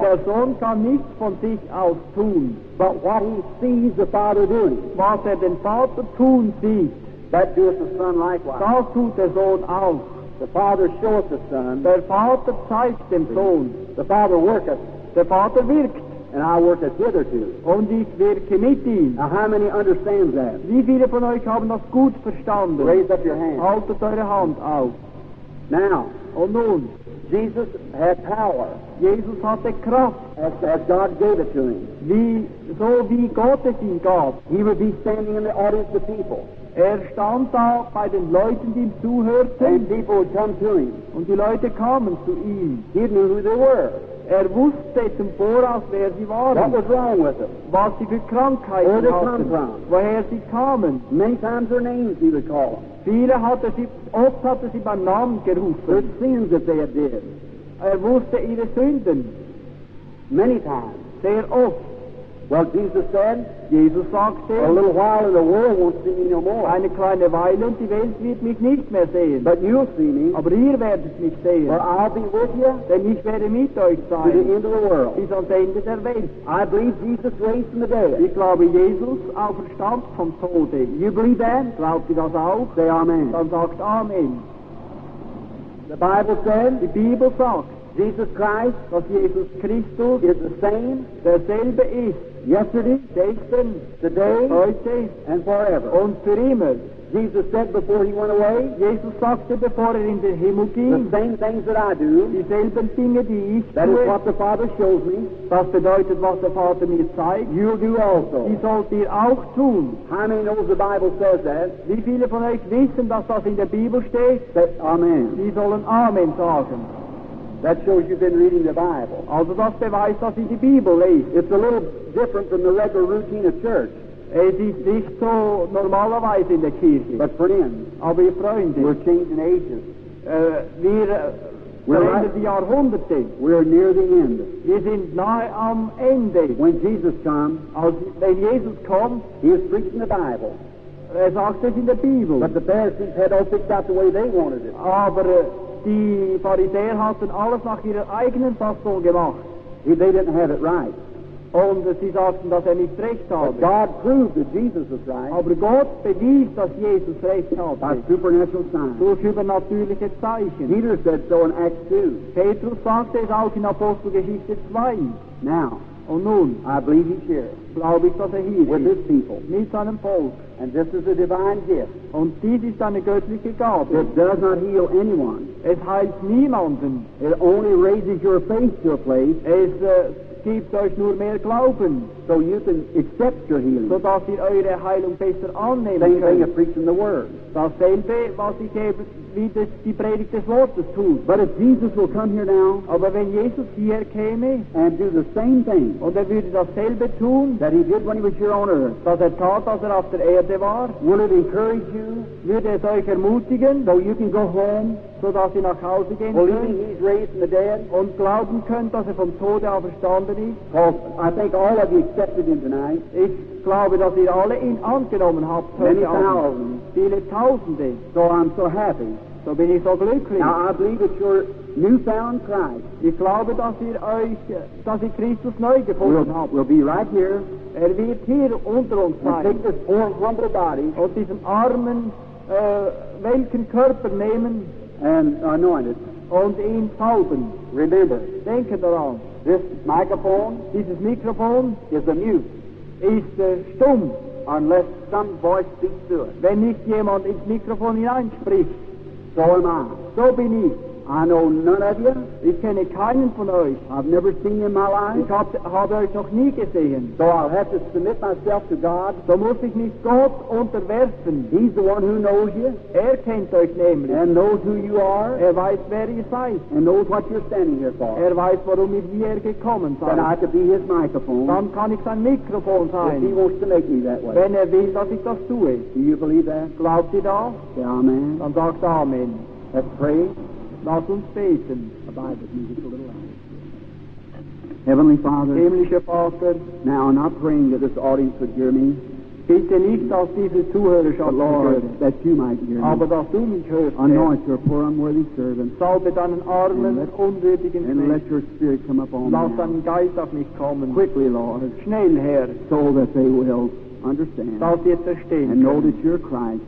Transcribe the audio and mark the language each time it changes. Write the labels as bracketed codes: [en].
[de] Der Sohn kann nichts von sich aus tun. [en] But what he sees the Father doing, [de] was den Vater tun sieht, [en] that doeth the Son likewise. [de] Das tut der Sohn auch. [en] The Father showeth the Son. [de] Der Vater zeigt dem Sohn. [en] The Father worketh. [de] Der Vater wirkt. [en] And I worketh hitherto. [de] Und ich wirke mit ihm. [en] Now how many understand that? [de] Wie viele von euch haben das gut verstanden? [en] Raise up your hand. [de] Haltet eure Hand auf. [en] Now. [de] Und nun. [en] Jesus had power. [de] Jesus hatte Kraft. [en] As God gave it to him. [de] So wie Gott es ihm gab. [en] He would be standing in the audience of people. [de] Stand da bei den Leuten, die ihm zuhörten. [en] And people would come to him. [de] Und die Leute kamen zu ihm. [en] He knew who they were. [de] Wusste zum Voraus, wer sie waren. [en] What was wrong with them? [de] Was sie für Krankheiten [en] Where they [de] hatten. [en] Come from. [de] Woher sie kamen. [en] Many times their names he would call them. [de] Viele hatte sie, oft hatte sie beim Namen gerufen. [en] The sins that they had did. [de] Wusste ihre Sünden. [en] Many times. [de] Sehr oft. [en] Well, Jesus said, [de] Jesus sagte, [en] a little while and the world won't see me no more. [de] Eine kleine Weile und die Welt wird mich nicht mehr sehen. [en] But you'll see me. [de] Aber ihr werdet mich sehen. [en] For I'll be with you. [de] Denn ich werde mit euch sein. [en] To the end of the world. [de] Bis ans Ende der Welt. [en] I believe Jesus raised from the dead. [de] Ich glaube, Jesus auferstand vom Tode. [en] You believe that? [de] Glaubt ihr das auch? [en] Say Amen. [de] Dann sagt Amen. [en] The Bible said, [de] die Bibel sagt, [en] Jesus Christ, [de] dass Jesus Christus [en] is the same, [de] derselbe ist. [en] Yesterday, [de] gestern, [en] today, [de] heute, [en] and forever. [de] Und für immer. [en] Jesus said before he went away, [de] Jesus sagte, bevor in den Himmel ging, [en] the same things that I do, [de] dieselben Dinge, die ich [en] that [de] tue, [en] is what the Father shows me, [de] das bedeutet, was der Vater mir zeigt, [en] you'll do also. [de] Die sollt ihr auch tun. [en] How many know the Bible says that? [de] Wie viele von euch wissen, dass das in der Bibel steht? [en] That, Amen. [de] Sie sollen Amen sagen. [en] That shows you've been reading the Bible. [de] Also das beweist, dass ich die Bibel lese. [en] It's a little different from the regular routine of church. [de] Es ist nicht so normalerweise in der Kirche. [en] But friends, [de] aber ihr Freunde, [en] we're changing ages. [de] Wir sind die Jahrhunderte. [en] We're near the end. [de] Wir sind nahe am Ende. [en] When Jesus comes, [de] wenn Jesus kommt, [en] he is preaching the Bible. [de] Sagt es in der Bibel. [en] But the Pharisees had all picked out the way they wanted it. [de] Aber die Pharisäer hatten alles nach ihrer eigenen Fassung gemacht. [en] They didn't have it right. [de] Und sie sagten, dass nicht recht habe. [en] But God proved that Jesus was right. [de] Aber Gott bewies, dass Jesus recht habe. [en] By supernatural signs. [de] Durch übernatürliche Zeichen. [en] Peter said so in Acts 2. [de] Petrus sagte es auch in Apostelgeschichte 2. [en] Now. [de] Und nun, [en] I believe he's here. [de] Glaube ich, dass hier ist. [en] With his people. [de] Mit seinem Volk. [en] And this is a divine gift. [de] Und dies ist eine göttliche Gabe. [en] It does not heal anyone. [de] Es heilt niemanden. [en] It only raises your faith to a place. [de] Es gibt euch nur mehr Glauben. [en] So you can accept your healing. [de] So dass ihr eure Heilung besser annehmen könnt. [en] Same thing of preaching the word. [de] Dasselbe, was ich gebe, wie das die Predigt des Wortes tut. [en] But if Jesus will come here now, [de] aber wenn Jesus hier käme, [en] and do the same thing, [de] und würde dasselbe tun, [en] that he did when he was here on earth, [de] das tat, als auf der Erde war, [en] will it encourage you? [de] Würde es euch ermutigen? [en] So you can go home, [de] so dass ihr nach Hause gehen könnt. [en] Believing he's raised from the dead, [de] und glauben könnt, dass vom Tode auferstanden ist. [en] I think all of you accepted him tonight. [de] Ich glaube, dass ihr alle ihn angenommen habt. [en] Many thousands. [de] Viele Tausende. [en] So I'm so happy. [de] So bin ich so glücklich. [en] Now I believe that you're newfound Christ. [de] Ich glaube, dass ihr euch, dass ihr Christus neu gefunden habt. [en] We'll be right here. [de] Wird hier unter uns sein. [en] And take this poor, humble body. [de] Und diesen armen, welken Körper nehmen. [en] And anoint it. [de] Und ihn salben. [en] Remember. [de] Denke daran. [en] This microphone. [de] Dieses Mikrofon. [en] Is a mute. [de] Ist stumm. [en] Unless some voice speaks to it. [de] Wenn nicht jemand ins Mikrofon hineinspricht. [en] So am I. [de] So bin ich. [en] I know none of you. [de] Ich kenne keinen von euch. [en] I've never seen you in my life. [de] Ich habe euch noch nie gesehen. [en] So I'll have to submit myself to God. [de] So muss ich mich Gott unterwerfen. [en] He's the one who knows you. [de] Kennt euch nämlich. [en] And knows who you are. [de] Weiß, wer ihr seid. [en] And knows what you're standing here for. [de] Weiß, warum ihr hier gekommen seid. [en] Then I could be his microphone. [de] Dann kann ich sein Mikrofon sein. [en] If he wants to make me that way. [de] Wenn will, dass ich das tue. [en] Do you believe that? [de] Glaubt ihr das? Ja, amen. Dann sagt amen. [en] Let's pray. [de] Lass uns beten. [en] Heavenly Father, [de] himmlischer Vater, [en] now I'm not praying that this audience would hear me. [de] Bitte nicht, dass diese Zuhörerschaft [en] Lord, that you might hear me. [de] Aber dass du mich hörst. [en] Anoint your poor unworthy servant. [de] Salbe deinen armen, unwürdigen Menschen. [en] And let your spirit come upon me. [de] Lass deinen Geist auf mich kommen. [en] Quickly, Lord. [de] Schnell, Herr. [en] So that they will understand. [de] Dass sie es verstehen. [en] And know that you're Christ.